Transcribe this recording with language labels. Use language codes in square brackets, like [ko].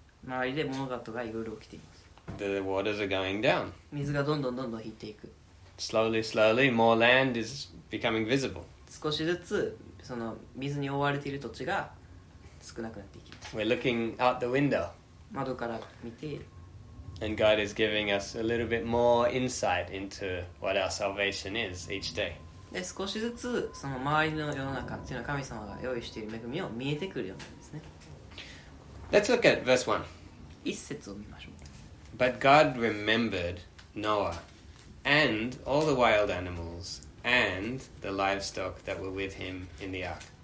[ja] 周りで物事がいろいろ起きています。 [en] The waters are going down. [ja] 水がどんどんどんどん引いていく。 [en] Slowly, slowly, more land is becoming visible. [ja] 少しずつその水に覆われている土地が少なくなっていきます。 [en] We're looking out the window. [ja] 窓から見て。 [en] And God is giving us a little bit more insight into what our salvation is each day. [ja] で少しずつその周りの世の中っていうのは神様が用意している恵みを見えてくるようになるんですね。 [en] Let's look at verse 1. [ja] 一節を見ましょう。 [en] But God remembered Noah and all the wild animals and the livestock that were with him in the ark.